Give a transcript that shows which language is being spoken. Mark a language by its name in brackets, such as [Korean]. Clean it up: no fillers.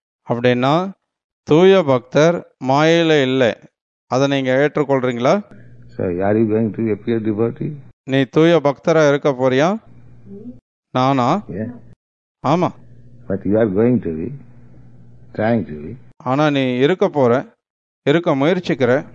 [Tamil] அப்படின்னா தூய பக்தர் மாயையில் இல்லை, அதை நீங்கள் ஏற்றுக்கொள்றீங்களா? [English] So, are you going to be a pure devotee? [Tamil] நீ தூய பக்தராக இருக்க போறியா? நானா? [English] Yeah. [Tamil] ஆமா. [English] But you are going to be, trying to be. [Tamil] ஆனா நீ இருக்க போற, இருக்க முயற்சிக்கிற.